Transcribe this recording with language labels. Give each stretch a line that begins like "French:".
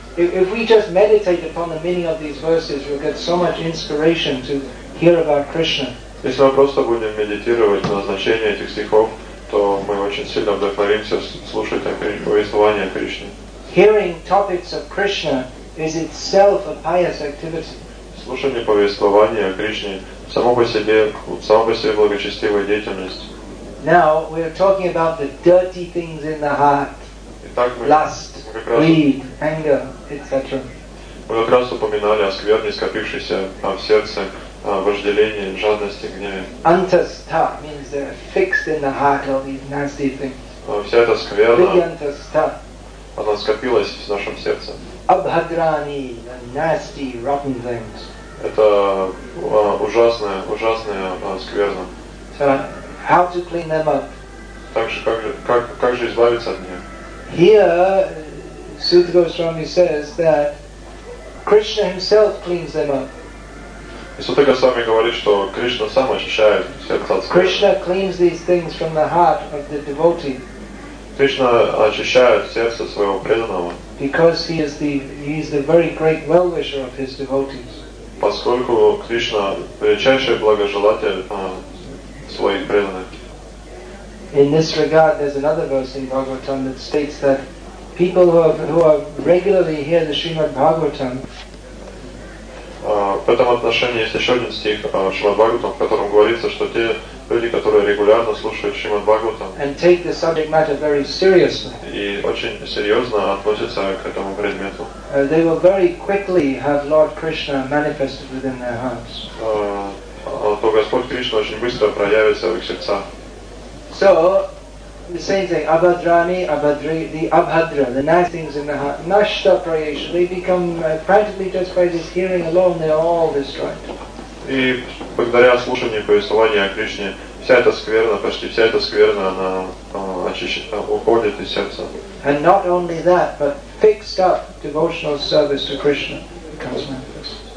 English: If we just meditate upon the meaning of these verses, we'll get so much inspiration to hear about Krishna.
Russian: Если мы просто будем медитировать на значение этих стихов, то мы очень сильно вдохновимся слушать повествование о Кришне.
English: Hearing topics of Krishna is itself a pious activity.
Russian: Слушание повествования о Кришне само по себе благочестивая деятельность.
English: Now we are talking about the dirty things in the heart.
Russian: Итак,
English: lust, greed, anger, etc.
Russian: Мы как раз упоминали о скверне, скопившейся в сердце, вожделении, жадности, гневе.
English: Antastha means they're fixed in the heart, all these nasty things.
Russian: Вся эта скверна,
Sanskrit: Vigyantastha,
Russian: она скопилась в нашем сердце.
English: Abhadrani, the nasty, rotten things.
Russian: Это ужасная скверна.
English: How to clean them up?
Russian: Как же избавиться от них?
English: Here, Sutta Goswami says that Krishna himself cleans them up.
Russian: И Сута Госвами говорит, что Кришна сам очищает сердце.
English: Krishna cleans these things from the heart of the devotee.
Russian: Кришна очищает сердце своего преданного.
English: Because he is the very great well-wisher of his devotees.
Russian: Поскольку Кришна величайший благожелатель своих преданных.
English: In this regard, there's another verse in Bhagavatam that states that people who are regularly hear the Srimad Bhagavatam
Russian: в этом отношении есть еще один стих Шримад Бхагаватам, в котором говорится, что те люди, которые регулярно слушают Шримад Бхагаватам и очень серьезно относятся к этому предмету,
English: they will very quickly have Lord Krishna manifested within their hearts.
Russian: То Господь Кришна очень быстро проявится в их сердцах.
English: So, the same thing, Abhadrani, Abhadri, the Abhadra, the nice things in the heart,
Sanskrit: Nashta Prayesha,
English: they become practically just by this hearing alone, they are all destroyed.
Russian: И благодаря слушанию повествования о Кришне, вся эта скверна, почти вся эта скверна, она уходит из сердца.
English: And not only that, but fixed up devotional service to Krishna becomes manifest.